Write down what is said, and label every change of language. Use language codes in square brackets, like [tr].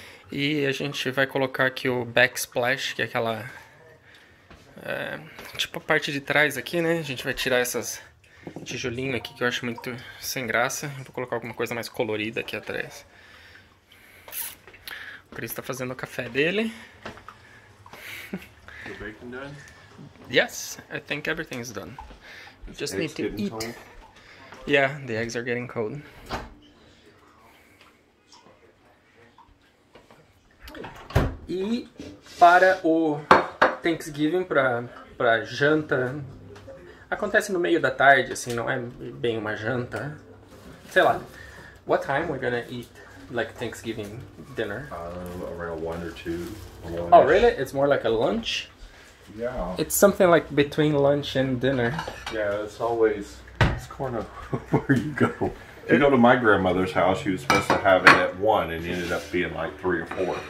[pt] E a gente vai colocar aqui o backsplash, que é aquela... tipo a parte de trás aqui, né? A gente vai tirar essas tijolinho aqui, que eu acho muito sem graça. Vou colocar alguma coisa mais colorida aqui atrás. O Chris tá fazendo o café dele. [en] The bacon done? Yes, I think everything is done. Just need to eat. Yeah, the eggs are getting cold. [pt] E para o Thanksgiving, para janta, acontece no meio da tarde, assim, não é bem uma janta. Sei lá. [en] What time we're gonna eat, like, Thanksgiving dinner? Around 1 or 2. Oh, really? It's more like a lunch? Yeah. It's something like between lunch and dinner. Yeah, it's always... It's corner where you go. If you go to my grandmother's house, she was supposed to have it at 1 and ended up being like 3 or 4.